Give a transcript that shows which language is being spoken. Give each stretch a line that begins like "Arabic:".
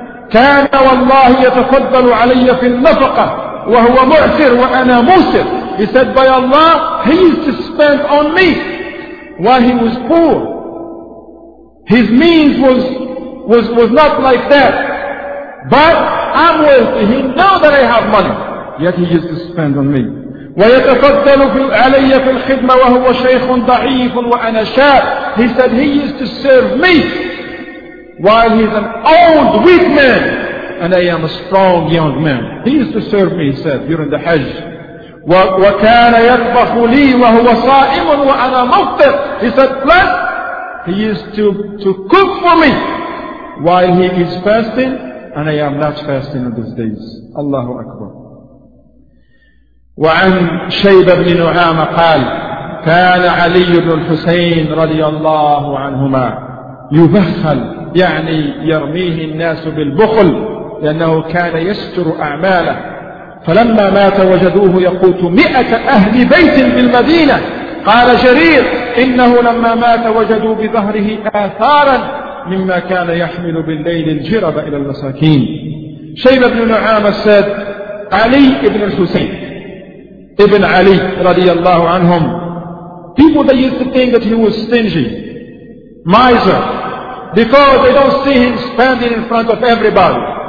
Arabic: كان والله يتفضل علي في النفقة وهو معسر وأنا موسر.
English: He said, by Allah, he used to spend on me while he was poor. His means was not like that. But I'm wealthy. He knows that I have money. Yet he used to spend on me.
Arabic: ويتفضل علي في الخدمة وهو شيخ ضعيف وأنا شاب.
English: He said he used to serve me while he's an old weak man and I am a strong young man. He used to serve me, he said, during the Hajj.
Arabic: وكان يطبخ لي وهو صائم وأنا مفطر.
English: He said, plus he used to cook for me while he is fasting and I am not fasting on these days. Allahu Akbar.
Arabic: وعن شيبة بن نعامة قال كان علي بن الحسين رضي الله عنهما يبخل يعني يرميه الناس بالبخل لأنه كان يستر أعماله فلما مات وجدوه يقوت 100 أهل بيت بالمدينة قال جرير إنه لما مات وجدوا بظهره آثارا مما كان يحمل بالليل الجرب إلى المساكين.
English: شيبة بن نعامة said علي بن الحسين Ibn Ali radiallahu anhum. People that used to think that he was stingy, miser, because they don't see him spending in front of everybody.